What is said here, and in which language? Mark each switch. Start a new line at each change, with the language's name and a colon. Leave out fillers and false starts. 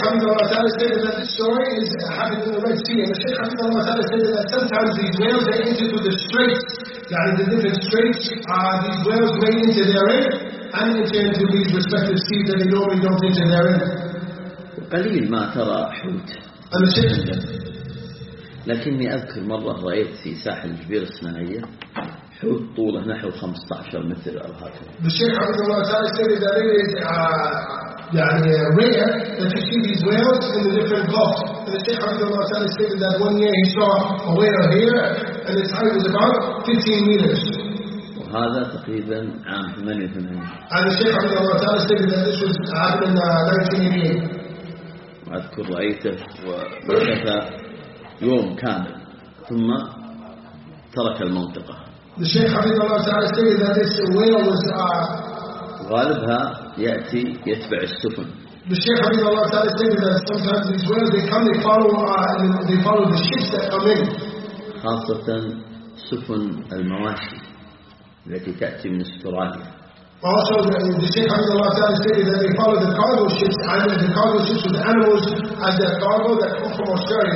English: حميد الله تعالى said that this story is happening in the Red Sea. And the Sheikh Hamid Allah Ta'ala said that sometimes these whales, they enter through the straits, that the different straits, these whales may enter therein and enter into these respective seas that they normally don't enter therein.
Arabic: قليل ما ترى حوت.
English: And the Sheikh said,
Arabic: لكني أذكر مرة رأيت في ساحل الكبير الصناعية حوت طوله نحو 15 متر أو هكذا.
English: The Sheikh رحمه الله تعالى said that it is يعني rare that you see these whales in the different gulfs. And the Sheikh رحمه الله تعالى said that one year he saw a whale here and its height was about 15 meters.
Arabic: وهذا تقريبا عام 88.
English: And the Sheikh رحمه الله تعالى said that this was happened in 1988.
Arabic: أذكر رأيته ومشى يوم كامل ثم ترك المنطقة.
English: The Sheikh حفظه الله تعالى said that this whale was
Arabic: غالبها يأتي يتبع السفن.
English: The Sheikh حفظه الله تعالى said that sometimes these whales they come they follow the ships that come in.
Arabic: خاصة سفن المواشي التي تأتي من استراليا.
English: Also the Sheikh حفظه الله تعالى said that they follow the cargo ships and the cargo ships with animals as their cargo that come from Australia.